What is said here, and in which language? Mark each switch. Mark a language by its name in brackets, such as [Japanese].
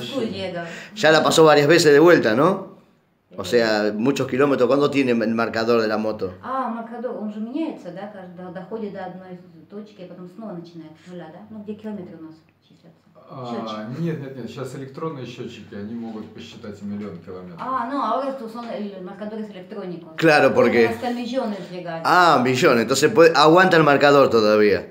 [Spanish] Ya la pasó varias veces de vuelta, ¿no? O sea, muchos kilómetros. ¿Cuándo tiene el marcador de la moto? [Russian] Ah, marcador, он же меняется, да, когда доходит до одной точки, а потом снова начинает с нуля, да? Ну где километры у нас числятся? Нет, нет, нет. Сейчас электронные счетчики, они могут посчитать 1 миллион километров. Ну, а [Spanish] ahora estos son el marcador es electrónico. Claro, porque. Hasta millones llegan. Millones. Entonces puede, aguanta el marcador todavía.